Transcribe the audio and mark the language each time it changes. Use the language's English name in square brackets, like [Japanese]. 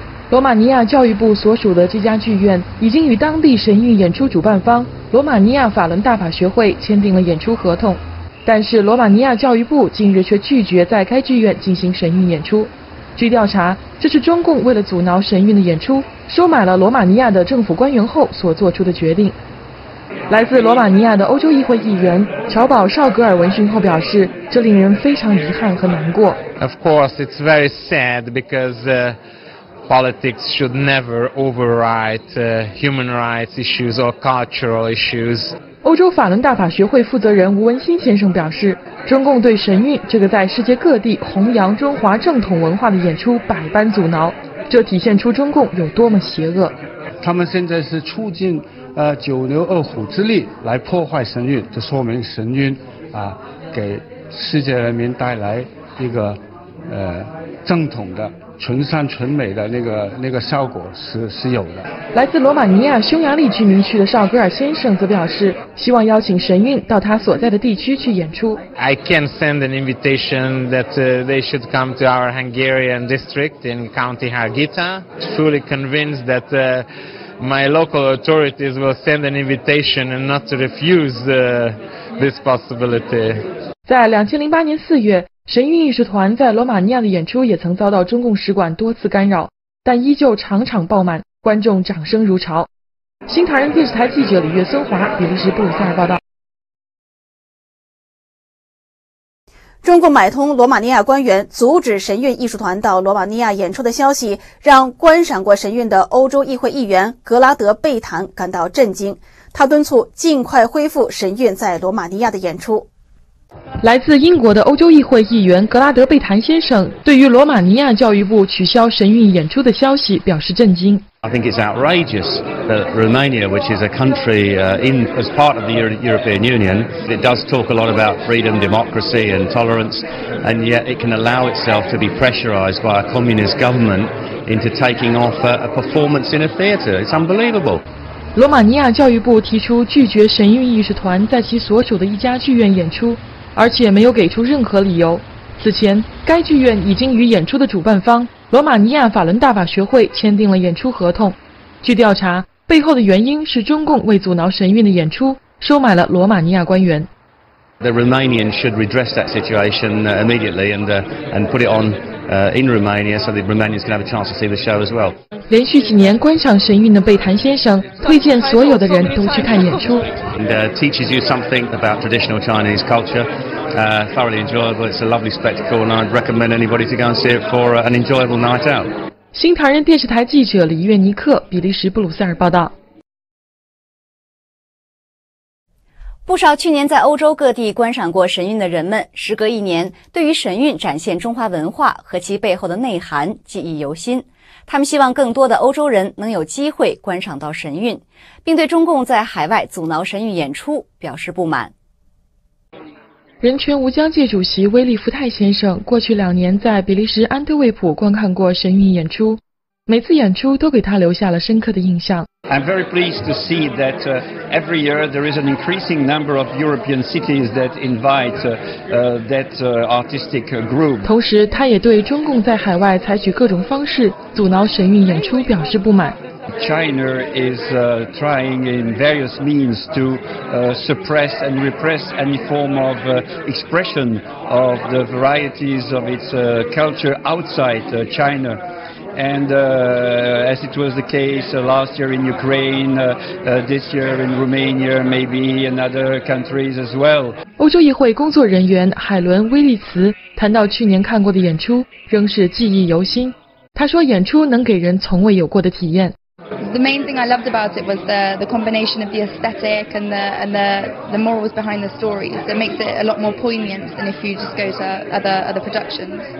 [Chinese] 罗马尼亚教育部所属的这家剧院已经与当地神韵演出主办方罗马尼亚法轮大法学会签订了演出合同，但是罗马尼亚教育部近日却拒绝在该剧院进行神韵演出。据调查，这是中共为了阻挠神韵的演出，收买了罗马尼亚的政府官员后所做出的决定。来自罗马尼亚的欧洲议会议员乔保·绍格尔闻讯后表示，这令人非常遗憾和难过。 [English] Of course, it's very sad because politics should never override human rights issues or cultural issues. [Chinese] 欧洲法轮大法学会负责人吴文新先生表示，中共对神韵这个在世界各地弘扬中华正统文化的演出百般阻挠，这体现出中共有多么邪恶。他们现在是出尽九牛二虎之力来破坏神韵，这说明神韵给世界人民带来一个正统的纯善纯美的那个效果是有的。来自罗马尼亚匈牙利居民区的绍格尔先生则表示，希望邀请神韵到他所在的地区去演出。 [English] I can send an invitation that they should come to our Hungarian district in County Hargita. Fully convinced that my local authorities will send an invitation and not refuse this possibility. [Chinese] 在2008年4月。神韵艺术团在罗马尼亚的演出也曾遭到中共使馆多次干扰，但依旧场场爆满，观众掌声如潮。新唐人电视台记者李月孙华，比利时布鲁塞尔报道。中共买通罗马尼亚官员阻止神韵艺术团到罗马尼亚演出的消息，让观赏过神韵的欧洲议会议员格拉德贝坦感到震惊，他敦促尽快恢复神韵在罗马尼亚的演出。来自英国的欧洲议会议员格拉德贝坦先生对于罗马尼亚教育部取消神韵演出的消息表示震惊。 [English] I think it's outrageous that Romania, which is a country in as part of the European Union, it does talk a lot about freedom, democracy and tolerance, and yet it can allow itself to be pressurized by a communist government into taking off a performance in a theater. It's unbelievable. [Chinese] 罗马尼亚教育部提出拒绝神韵艺术团在其所属的一家剧院演出，而且没有给出任何理由。此前，该剧院已经与演出的主办方罗马尼亚法伦大法学会签订了演出合同。据调查，背后的原因是中共为阻挠神韵的演出，收买了罗马尼亚官员。 [English] The Romanians should redress that situation immediately and put it on in Romania so the Romanians can have a chance to see the show as well. [Chinese] 连续几年观赏神韵的贝坦先生推荐所有的人都去看演出。 [English] And, teaches you something about traditional Chinese culture. Thoroughly enjoyable. It's a lovely spectacle, and I'd recommend anybody to go and see it for an enjoyable night out. [Chinese] 新唐人电视台记者李月尼克，比利时布鲁塞尔报道。不少去年在欧洲各地观赏过神韵的人们，时隔一年，对于神韵展现中华文化和其背后的内涵记忆犹新。他们希望更多的欧洲人能有机会观赏到神韵，并对中共在海外阻挠神韵演出表示不满。人权无疆界主席威利福泰先生过去两年在比利时安特卫普观看过神韵演出，每次演出都给他留下了深刻的印象。 [English] I'm very pleased to see that every year there is an increasing number of European cities that invite that artistic group. [Chinese] 同时，他也对中共在海外采取各种方式阻挠神韵演出表示不满。 [English] China is trying in various means to suppress and repress any form of expression of the varieties of its culture outside China. And as it was the case last year in Ukraine, this year in Romania, maybe in other countries as well. [Chinese] 欧洲议会工作人员海伦·威利茨谈到去年看过的演出，仍是记忆犹新。他说，演出能给人从未有过的体验。 [English] The main thing I loved about it was the combination of the aesthetic and the morals behind the stories that makes it a lot more poignant than if you just go to other productions.